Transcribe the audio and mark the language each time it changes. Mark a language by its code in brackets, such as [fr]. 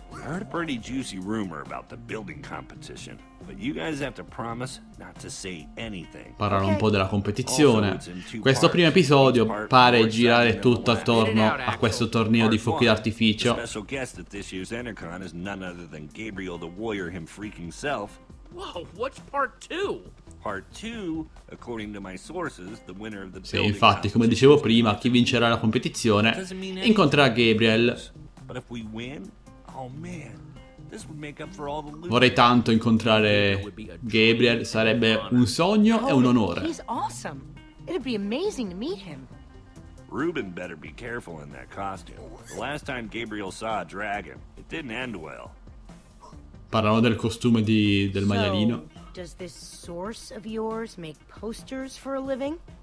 [en] I heard a pretty juicy rumor about the building competition, but you guys have to promise not to say anything. [it] Parlare un po' della competizione. Questo primo episodio pare girare tutto attorno a questo torneo di fuochi d'artificio. [en] The special guest at this year's Entercon is none other than Gabriel the Warrior him freaking self. Whoa, what's part two? Part two, according to my sources, the winner of the [it] building. Sì, infatti, come dicevo prima, chi vincerà la competizione incontrerà Gabriel. [en] But if we win, oh man, this would make up for all the losing. [it] Vorrei tanto incontrare Gabriel, sarebbe un sogno e un onore. [en] He's awesome. It'd be amazing to meet him. Ruben better be careful in that costume. The last time Gabriel saw a dragon, it didn't end well. [it] Parlano del costume del maialino. [en] So, does this source of yours make posters for a living?